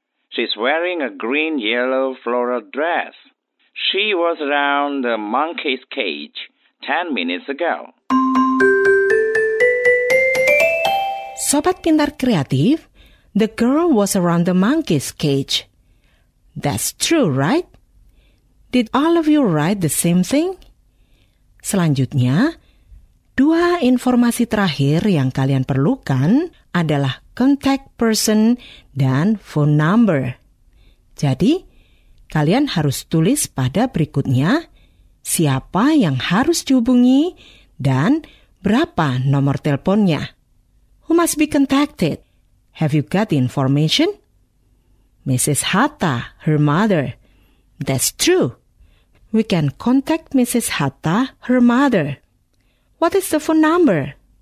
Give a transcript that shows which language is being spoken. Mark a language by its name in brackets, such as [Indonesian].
[English] She's wearing a green-yellow floral dress. She was around the monkey's cage 10 minutes ago. Sobat pintar kreatif, the girl was around the monkey's cage. That's true, right? Did all of you write the same thing? [Indonesian] Selanjutnya, dua informasi terakhir yang kalian perlukan adalah contact person dan phone number. Jadi, kalian harus tulis pada berikutnya siapa yang harus dihubungi dan berapa nomor teleponnya. [English] Who must be contacted? Have you got the information? Mrs. Hatta, her mother. That's true. We can contact Mrs. Hatta, her mother. What is the phone number?